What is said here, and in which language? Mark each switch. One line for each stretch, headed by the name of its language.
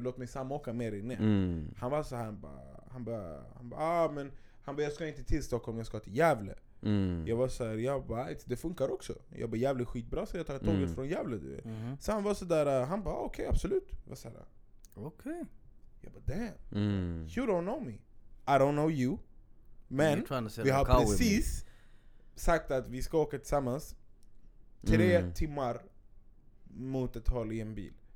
Swedish: Låt mig samåka med dig ner. Han var så här, jag ska inte till Stockholm, jag ska till Gävle. Jag var så här, jag bara, det funkar också. Jag bara, Gävle skitbra, så jag tar tåget från Gävle. Så han var så där, han bara, okej, absolut. Jag var så här, okej. Jag bara,
English: damn. You don't know me. I don't know you,
Swedish: men, vi har precis sagt att vi ska åka tillsammans 3 timmar mot ett håll i en bil.